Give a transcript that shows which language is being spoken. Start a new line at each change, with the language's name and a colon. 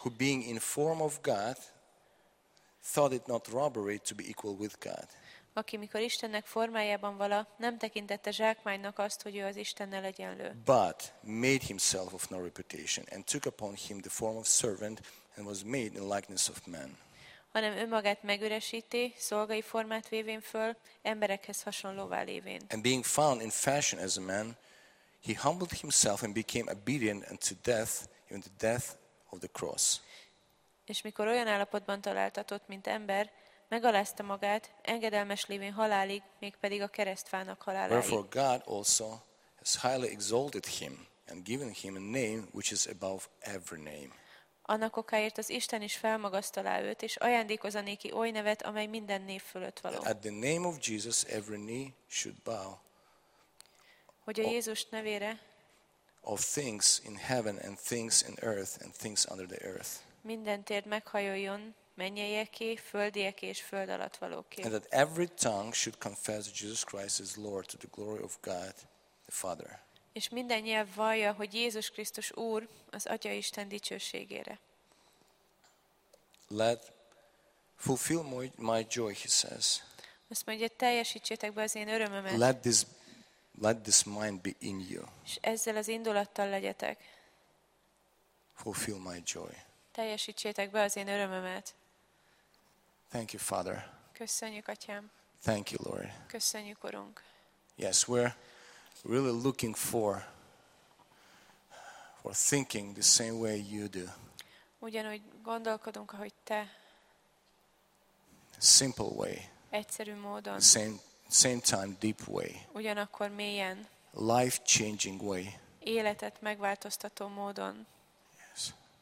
English: Who being in form of God, thought it not robbery to be equal with God.
Hungarian: Aki mikor Istennek formájában vala, nem tekintette zsákmánynak azt, hogy ő az Istennel egyenlő.
English: But made himself of no reputation, and took upon him the form of servant, and was made in likeness of man.
Hungarian: Hanem önmagát megüresíti, szolgai formát vévén föl, emberekhez hasonlóvá lévén.
English: And being found in fashion as a man, he humbled himself and became obedient unto death, even the death of the cross.
Hungarian: És mikor olyan állapotban találtatott, mint ember, megalázta magát, engedelmes lévén halálig, mégpedig a keresztfának haláláig.
English: Wherefore God also has highly exalted him and given him a name which is above every name.
Hungarian: Annak okáért az Isten is felmagasztalá őt, és ajándékozza néki oly nevet, amely minden név fölött való.
English: At the name of Jesus every knee should bow.
Hungarian: Hogy a Jézus nevére
English: of things in heaven and things in earth and things under the earth.
Hungarian: Minden térd meghajoljon, mennyeieké, földieké és föld alatt valóké.
English: And that every tongue should confess Jesus Christ as Lord to the glory of God the Father.
Hungarian: És minden nyelv vallja, hogy Jézus Krisztus Úr az Atya Isten dicsőségére.
English: Let fulfill my joy, he says.
Hungarian: Azt mondja, teljesítsétek be az én örömömet.
English: Let this mind be in you.
Hungarian: És ezzel az indulattal legyetek.
English: Fulfill my joy.
Hungarian: Teljesítsétek be az én örömömet.
English: Thank you, Father.
Hungarian: Köszönjük, Atyám.
English: Thank you, Lord.
Hungarian: Köszönjük, Urunk.
English: Yes, we're really looking for thinking the same way you do.
Hungarian: Ugyanúgy gondolkodunk, ahogy te.
English: Simple way.
Hungarian: Egyszerű módon.
English: Same time, deep way.
Hungarian: Ugyanakkor mélyen.
English: Life-changing way.
Hungarian: Életet megváltoztató módon.
English: Yes.